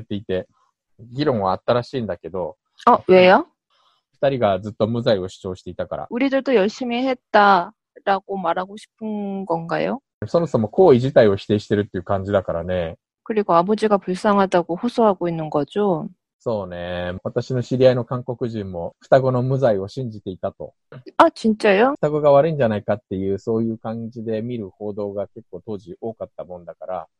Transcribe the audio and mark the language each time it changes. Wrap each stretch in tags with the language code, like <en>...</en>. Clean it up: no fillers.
<ja>実は双子は無実なんじゃないかっていうの結構韓国でも根強く言われていて議論はあったらしいんだけど.</ja> <ko>어, 왜요?</ko> <ja>2人が ずっと無罪を主張していたから.</ja> <ko>우리들도 열심히 했다라고 말하고 싶은 건가요?</ko> <ja>そもそも行為自体を否定してるっていう感じだからね。</ja> <ko>그리고아버지가불쌍하다고호소하고있는거죠。</ko> <ja>そうね。私の知り合いの韓国人も双子の無罪を信じていたと。あ、</ja> <ko>진짜요？</ko> <ja>双子が悪いんじゃないかっていう、そういう感じで見る報道が結構当時多かったもんだから。</ja>